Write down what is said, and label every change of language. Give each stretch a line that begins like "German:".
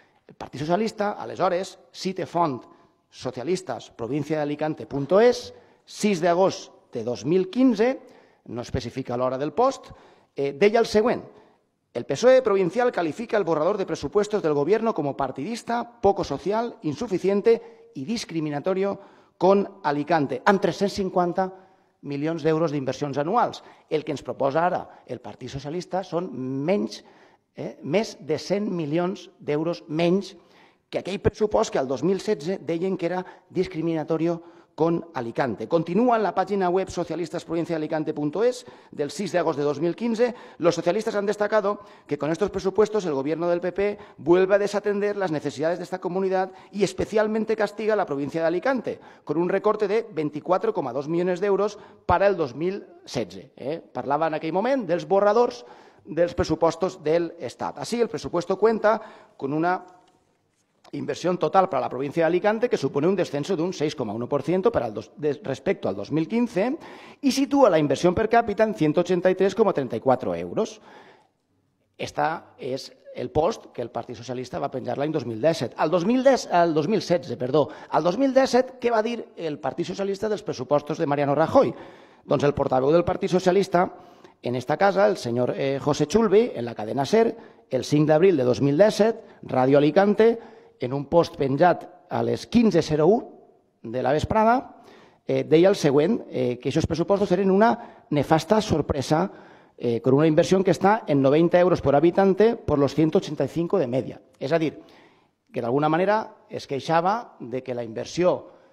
Catalan: El Partit Socialista, aleshores, cite font socialistes provinciadealicante.es, 6 d'agost de 2015, no especifica l'hora del post, deia el següent:
Spanish: el PSOE provincial califica el borrador de presupuestos del gobierno como partidista, poco social, insuficiente y discriminatorio con Alicante,
Catalan: amb 350 milions d'euros d'inversions anuals. El que ens proposa ara el Partit Socialista són menys, més de 100 milions d'euros menys que aquell pressupost que el 2016 deien que era
Spanish: discriminatorio con Alicante. Continúa en la página web socialistasprovinciadealicante.es del 6 de agosto de 2015. Los socialistas han destacado que con estos presupuestos el gobierno del PP vuelve a desatender las necesidades de esta comunidad y especialmente castiga a la provincia de Alicante con un recorte de 24,2 millones de euros para el 2016.
Catalan: Parlaba en aquel momento dels borradors dels pressupostos del Estat.
Spanish: Así, el presupuesto cuenta con una inversión total para la provincia de Alicante, que supone un descenso de un 6,1% respecto al 2015, y sitúa la inversión per cápita en 183,34 euros.
Catalan: Este es el post que el Partit Socialista va penjar l'any 2017. Al 2017, què va dir el Partit Socialista dels pressupostos de Mariano Rajoy? Doncs el portaveu del Partit Socialista en esta casa, el senyor José Chulbi, en la cadena SER, el 5 d'abril de 2017, Radio Alicante, en un post penjat a les 15:01 de la vesprada, deia el següent, que aquests pressupostos eren una nefasta sorpresa
Spanish: con una inversión que está en 90 euros por habitante por los 185 de media.
Catalan: És a dir, que d'alguna manera es queixava de que la inversió